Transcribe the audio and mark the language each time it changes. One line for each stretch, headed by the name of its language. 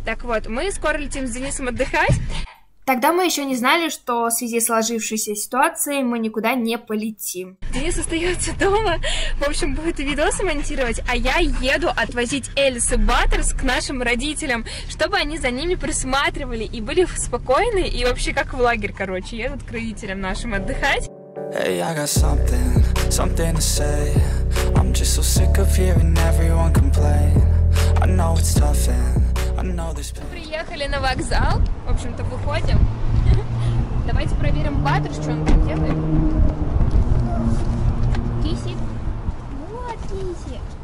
Russian: Так вот, мы скоро летим с Денисом отдыхать. Тогда мы еще не знали, что в связи с сложившейся ситуацией мы никуда не полетим. Денис остается дома, в общем, будет видосы монтировать, а я еду отвозить Элис и Баттерс к нашим родителям, чтобы они за ними присматривали и были спокойны, и вообще как в лагерь, короче, едут к родителям нашим отдыхать.
English: Hey, I got something, something to say. I'm just so sick of hearing everyone complain. I know it's tough and I know there's pain.
Russian: Приехали на вокзал. В общем-то, выходим. Давайте проверим Баттерс, что он там делает. Кисик. Вот, кисик.